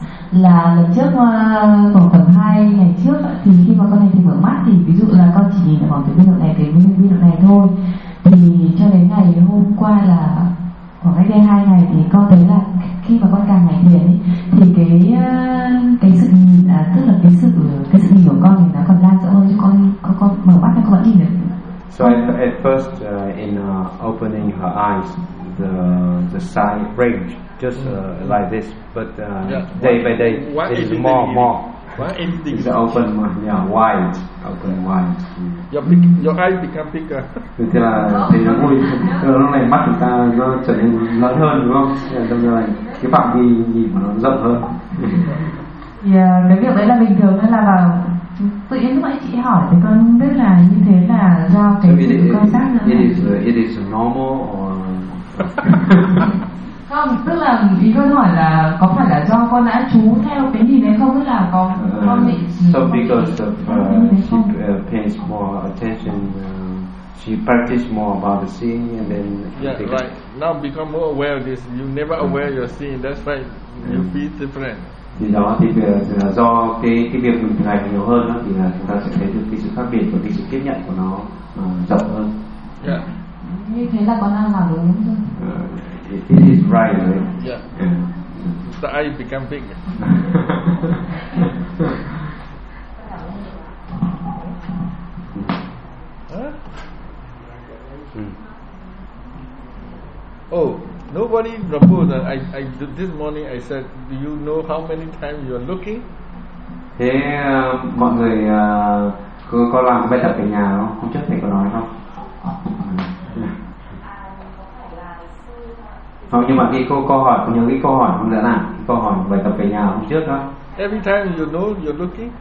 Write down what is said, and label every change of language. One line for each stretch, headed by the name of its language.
Vietnamese: Là lần trước khoảng tuần 2 ngày trước thì khi mà con hành thiền mở mắt thì ví dụ là con chỉ nhìn ở khoảng từ bên độ này đến bên độ này thôi, thì cho đến ngày hôm qua là khoảng cách đây 2 ngày thì con thấy là khi mà con càng hành thiền ấy, thì cái sự nhìn tức là cái sự nhìn của con thì nó còn đang rõ hơn, con mở mắt thì con vẫn nhìn được.
English: So at first in opening her eyes, the sight range just like this, but yeah. Day by day what it is more what is open more, yeah, wide, open wide. Your eyes become bigger.
Vietnamese: Thì là thì nó vui, lúc này mắt chúng ta nó trở nên lớn hơn đúng không? Đồng thời cái phạm vi nhìn nó rộng hơn. Yeah, cái việc đấy là bình thường hay là vào tự nhiên lúc ấy chị hỏi thì con biết là như thế là do cái sự quan sát nữa.
English: It is normal or
Vietnamese: không, tức là ý con hỏi là có phải là do con đã chú theo cái nhìn đấy không, tức là con bị
English: so because of she pays more attention she practice more about the seeing and then yeah right now become more aware of this, you never aware your seeing, that's why you feel different.
Vietnamese: Thì đó thì là do cái việc mình thực hành nhiều hơn đó, thì là chúng ta sẽ thấy được cái sự khác biệt và cái sự tiếp nhận của nó rộng hơn. Yeah. Như thế là con đang làm đúng không?
English: It is right, right? Yeah. Yeah. The eye become big. Oh. Nobody proposed that I this morning I said, do you know how many times you are looking?
Vietnamese: Thế mọi người có làm bài tập ở nhà không? Không chắc thầy có nói không? Không, nhưng mà khi cô có hỏi, nhớ cái câu hỏi không đã làm, câu hỏi bài tập ở nhà hôm trước đó.
English: Every time you know you're looking.